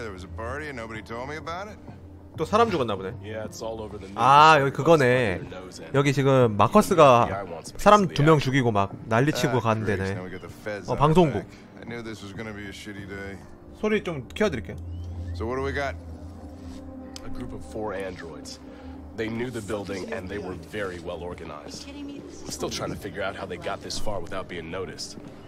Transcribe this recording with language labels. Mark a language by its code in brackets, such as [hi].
[en] There was a party and nobody told me about it. [ko] 또 사람 죽었나 보네. [en] Yeah, it's all over the news. [ko] 아, 여기 그거네. 여기 지금 마커스가 사람 두 명 죽이고 막 난리 치고 가는 데네. 방송국. [en] I knew this was gonna be a shitty day. [ko] 소리 좀 키워 드릴게요. [en] So what do we got? A group of four androids. They knew the building and they were very well organized. I'm still trying to figure out how they got this far without being noticed.